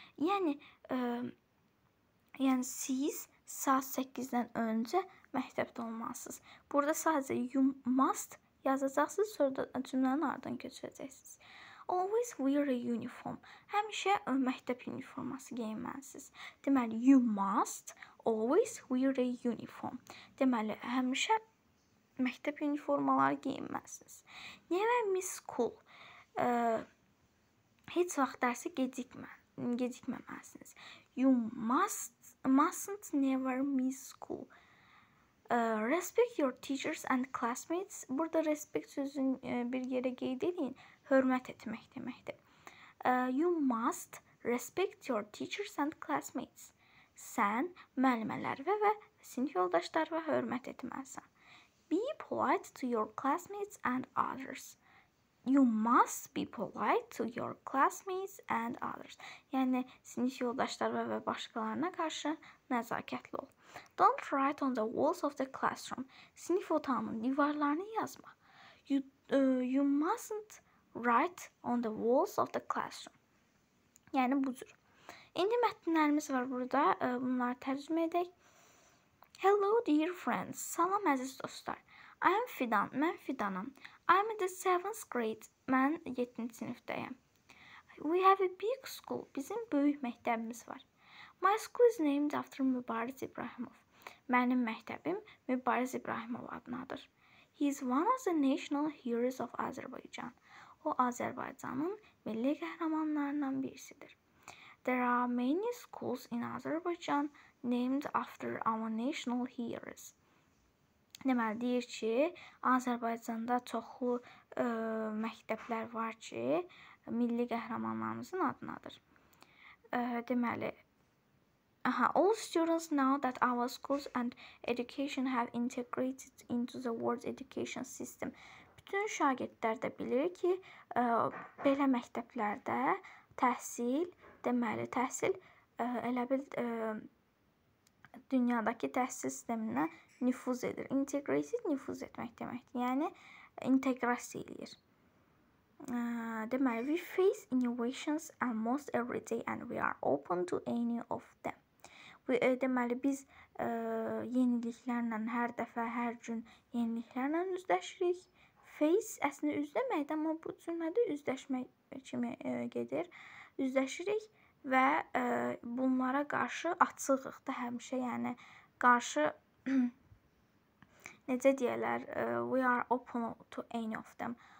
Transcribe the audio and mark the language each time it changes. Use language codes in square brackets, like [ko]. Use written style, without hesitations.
[az] Yəni, yəni siz saat 8-dən öncə məktəbdə olmalısınız. Burada sadəcə [en] you must [az] yazacaqsınız, sonra da cümlənin ardından köçürəcəksiniz. [en] Always wear a uniform. [az] Həmişə məktəb uniforması geyinməlisiniz. [en] Deməli, you must always wear a uniform. [az] Deməli, həmişə məktəb uniformaları geyinməlisiniz. [en] Never miss school. [az] Heç vaxt dərsə gecikməməlisiniz. [en] You mustn't never miss school. Respect your teachers and classmates. [az] Burada respect sözün bir yere qeyd edin. Hörmət etmək deməkdir. [en] You must respect your teachers and classmates. [az] Sən müəllimələr və sinif yoldaşlarına hörmət etməlisən. [en] Be polite to your classmates and others. You must be polite to your classmates and others. [az] Yəni, sinif yoldaşlarına və başqalarına qarşı nəzakətli ol. [en] Don't write on the walls of the classroom. [az] Sinif otağının divarlarını yazma. [en] You mustn't write on the walls of the classroom. [az] Yəni, bu cür. İndi mətnlərimiz var burada. Bunları tərcümə edək. [en] Hello, dear friends. [az] Salam, əziz dostlar. [en] I'm Fidan. [az] Mən Fidanım. [en] I'm in the 7th grade. [az] Mən 7-ci sinifdəyəm. [en] We have a big school. [az] Bizim böyük məktəbimiz var. [en] My school is named after Mübariz İbrahimov. [az] Mənim məktəbim Mübariz İbrahimov adınadır. [en] He is one of the national heroes of Azerbaijan. [az] O, Azərbaycanın milli qəhrəmanlarından birisidir. [en] There are many schools in Azerbaijan named after our national heroes. [az] Deməli, deyir ki, Azərbaycanda çoxlu məktəblər var ki, milli qəhrəmanlarımızın adınadır. [en] Deməli, all students know that our schools and education have integrated into the world education system. [az] Bütün şagirdlər də bilir ki, belə məktəblərdə təhsil, deməli, təhsil elə bil dünyadakı təhsil sisteminə nüfuz edir. Integrated nüfuz etmək deməkdir. Yəni, inteqrasiya edir. [en] Deməli, we face innovations almost every day and we are open to any of them. [az] Deməli, biz yeniliklərlə hər dəfə, hər gün yeniliklərlə üzləşirik. Face əslində üzləməkdir, amma bu cümlədə üzləşmək kimi gedir. Üzləşirik və bunlara qarşı açıqıq da həmişə, yəni qarşı necə deyərlər, [en] we are open to any of them.